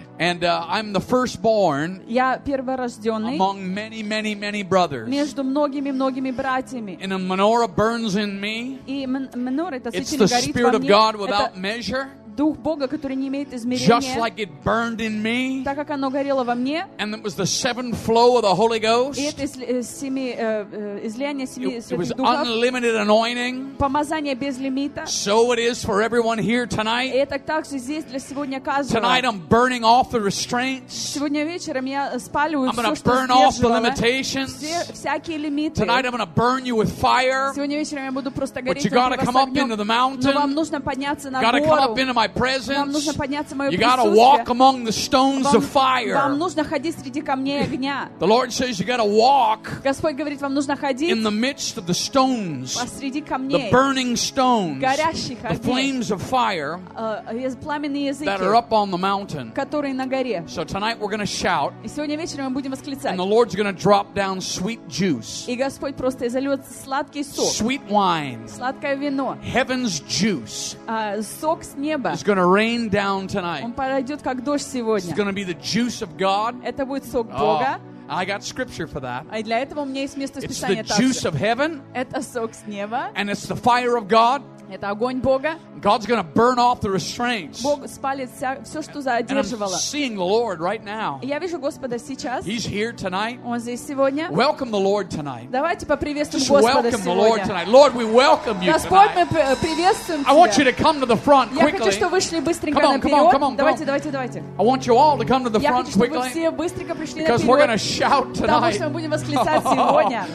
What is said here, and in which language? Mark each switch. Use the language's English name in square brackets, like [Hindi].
[English] And I'm the firstborn. [Russian] Я перворожденный. [English] Among many, many, many brothers. [Russian] Между многими, многими братьями. [English] And a menorah burns in me. [Russian] И менора это свечение горит во мне. [English] It's the spirit of God without measure. [Russian] Дух Бога, который не имеет измерения. [English] Just like it burned in me. [Russian] Так как оно горело во мне. [English] And it was the seven flow of the Holy Ghost. [Russian] И это семи излияние семи святых духов. [English] It was unlimited anointing. [Russian] Помазание без лимита. [English] So it is for everyone here tonight. [Russian] И это так же здесь для сегодня каждого. [English] Tonight I'm burning off the restraints. [Russian] Сегодня вечером я спалю все, что сдерживало. [English] I'm going to burn off the limitations. [Russian] Всякие лимиты. [English] Tonight I'm going to burn you with fire. [Russian] Сегодня вечером я буду просто гореть. [English] But you got to come up into the mountain. [Russian] Но вам нужно подняться на гору. [English] My presence. You got to walk among the stones of fire. [Russian] Вам нужно ходить среди камней огня. [English] The Lord says you got to walk. [Russian] Господь говорит, вам нужно ходить. [English] In the midst of the stones. [Russian] Посреди камней. [English] The burning stones. [Russian] Горящих огней. [English] The flames of fire. [Russian] Пламенные языки. [English] That are up on the mountain. [Russian] Которые на горе. [English] So tonight we're going to shout. [Russian] И сегодня вечером мы будем восклицать. [English] And the Lord's going to drop down sweet juice. [Russian] И Господь просто изольет сладкий сок. [English] Sweet wine. [Russian] Сладкое вино. [English] Heaven's juice. [Russian] Сок с неба. [English] It's going to rain down tonight. It's going to be the juice of God. [Russian] Это будет сок Бога. [English] I got scripture for that. [Russian] А для этого у меня есть место Писания. [English] It's the juice of heaven. [Russian] Это сок с неба. [English] And it's the fire of God. [Russian] Это огонь Бога. [English] God's going to burn off the restraints. [Russian] Бог спалит все, что задерживало. [English] And I'm seeing the Lord right now. [Russian] Я вижу Господа сейчас. [English] He's here tonight. [Russian] Он здесь сегодня. [English] Welcome the Lord tonight. [Russian] Давайте поприветствуем [English] Just [Russian] Господа [English] welcome [Russian] сегодня. [English] The Lord tonight. Lord, we welcome you [Russian] Господь, [English] tonight. [Russian] Мы приветствуем тебя. [English] I want you to come to the front quickly. [Russian] Я хочу, чтобы вы шли быстренько наперед. [English] Come on. [Russian] Давайте. [English] I want you all to come to the front quickly. [Russian] Я хочу, чтобы вы все быстренько пришли наперед. [English] Because we're going to shout tonight. [Russian] Потому что мы будем восклицать сегодня.